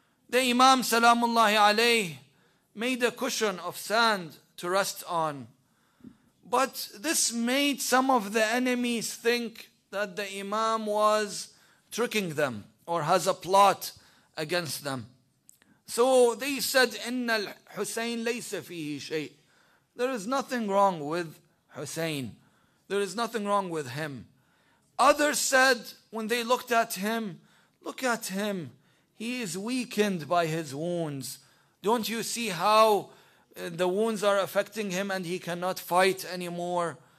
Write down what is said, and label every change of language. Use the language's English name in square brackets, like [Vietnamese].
[English] The Imam Salamullahi Alayhi made a cushion of sand to rest on. But this made some of the enemies think that the Imam was tricking them or has a plot against them. So they said, [Arabic] إِنَّ الْحُسَيْنِ لَيْسَ فِيهِ شَيْءٍ. [English] There is nothing wrong with Hussein. There is nothing wrong with him. Others said, when they looked at him, look at him. He is weakened by his wounds. Don't you see how the wounds are affecting him and he cannot fight anymore?